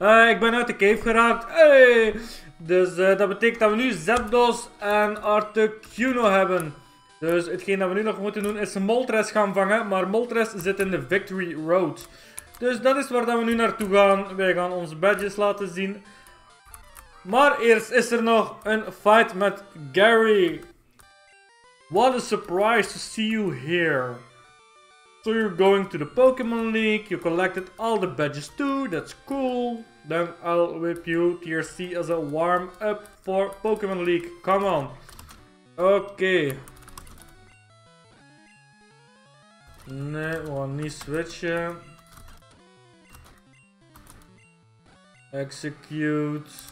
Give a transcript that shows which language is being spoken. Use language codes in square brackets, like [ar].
[nl] Ik ben uit de cave geraakt. Hey! Dus dat betekent dat we nu Zapdos en Articuno hebben. Dus hetgeen dat we nu nog moeten doen is Moltres gaan vangen. Maar Moltres zit in de Victory Road. Dus dat is waar dat we nu naartoe gaan. Wij gaan onze badges laten zien. Maar eerst is er nog een fight met Gary. [en] What a surprise to see you here. So you're going to the Pokemon League, you collected all the badges too, that's cool. Then I'll whip you TRC as a warm up for Pokemon League, come on. Okay. [nl] Nee, we gaan niet switchen. [en] Execute.